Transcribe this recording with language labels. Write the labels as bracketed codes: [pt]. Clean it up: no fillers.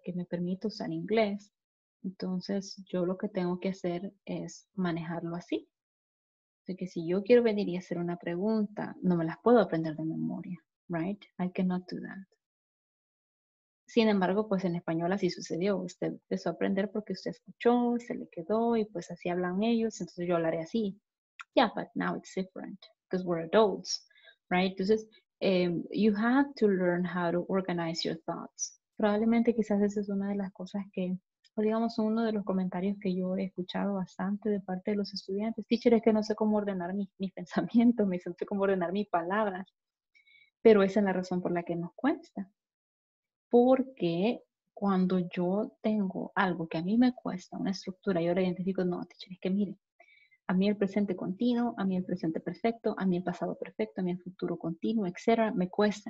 [es] Que me permita usar inglés, entonces yo lo que tengo que hacer es manejarlo así. Así que si yo quiero venir y hacer una pregunta, no me las puedo aprender de memoria, right? [en] I cannot do that. [es] Sin embargo, pues en español así sucedió. Usted empezó a aprender porque usted escuchó, se le quedó y pues así hablan ellos. Entonces yo hablaré así. [en] Yeah, but now it's different because we're adults, right? Entonces, you have to learn how to organize your thoughts. [es] Probablemente quizás esa es una de las cosas que... O digamos, uno de los comentarios que yo he escuchado bastante de parte de los estudiantes. Teacher, es que no sé cómo ordenar mis pensamientos, no sé cómo ordenar mis palabras. Pero esa es la razón por la que nos cuesta. Porque cuando yo tengo algo que a mí me cuesta, una estructura, yo la identifico, no, teacher, es que mire, a mí el presente continuo, a mí el presente perfecto, a mí el pasado perfecto, a mí el futuro continuo, etcétera, me cuesta.